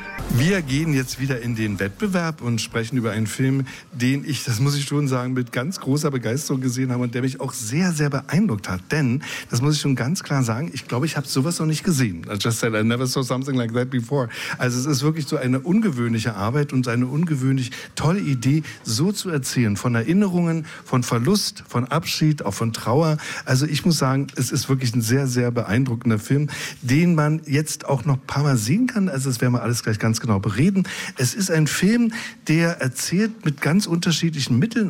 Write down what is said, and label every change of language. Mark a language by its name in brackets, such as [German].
[German] Wir gehen jetzt wieder in den Wettbewerb und sprechen über einen Film, den ich, das muss ich schon sagen, mit ganz großer Begeisterung gesehen habe und der mich auch sehr, sehr beeindruckt hat. Denn, das muss ich schon ganz klar sagen, ich glaube, ich habe sowas noch nicht gesehen. [English] I just said, I never saw something like that before. [German] Also es ist wirklich so eine ungewöhnliche Arbeit und eine ungewöhnlich tolle Idee, so zu erzählen. Von Erinnerungen, von Verlust, von Abschied, auch von Trauer. Also ich muss sagen, es ist wirklich ein sehr, sehr beeindruckender Film, den man jetzt auch noch ein paar Mal sehen kann. Also das werden wir alles gleich ganz genau bereden. Es ist ein Film, der erzählt mit ganz unterschiedlichen Mitteln.